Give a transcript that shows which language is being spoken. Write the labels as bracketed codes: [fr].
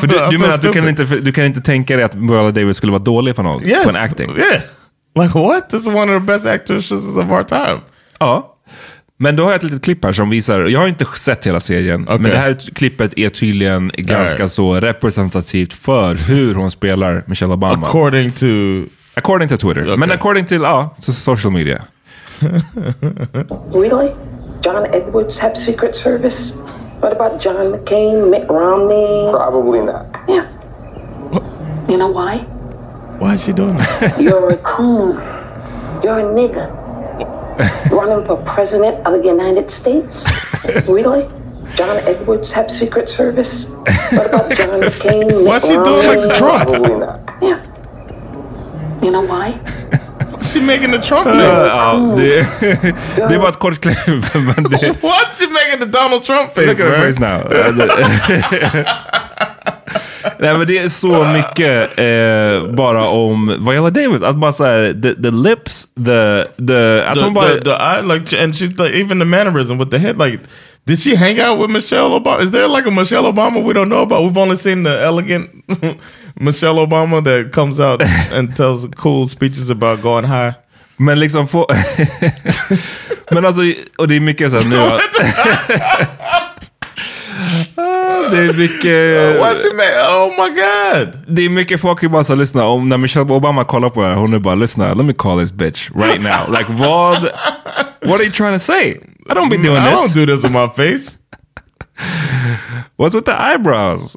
[sv] för du menar att du kan inte tänka dig att Viola Davis skulle vara dålig på något, [en] yes, [sv] på en acting? [en] Yeah. Like what? This is one of the best actresses of our time. [sv] Ja. Men då har jag ett litet klipp här som visar, jag har inte sett hela serien, [en] okay, [sv] men det här klippet är tydligen ganska så representativt för hur hon spelar Michelle Obama. [en] According to Twitter. Okay. Men according till social media. Really? John Edwards have Secret Service? What about John McCain, Mitt Romney? Probably not. Yeah. What? You know why? Why is she doing that? You're a coon. You're a nigger. Running for president of the United States? Really? John Edwards have Secret Service? What about John McCain, Mitt Romney? Why is she doing Romney? Like Trump? Probably not. Yeah. You know why? She making the Trump face. [sv] Det var ett kort klipp. [en] What? She making the Donald Trump face? Look at her face now. [sv] Nej, men det är så mycket bara om Viola Davis. Att bara säga [en] the lips, the eye, like, and she's like, even the mannerism with the head, like, did she hang out with Michelle Obama? Is there like a Michelle Obama we don't know about? We've only seen the elegant Michelle Obama that comes out and tells cool speeches about going high. [sv] Men liksom få men alltså, och det är mycket så här nu att det är mycket [en] what's it mean? Oh my god. [sv] Det är mycket folk som bara så här, lyssna om när Michelle Obama kollar på henne, hon är bara lyssna, [en] let me call this bitch right now. Like what are you trying to say? I don't be doing this. I don't do this with my face. What's with the eyebrows?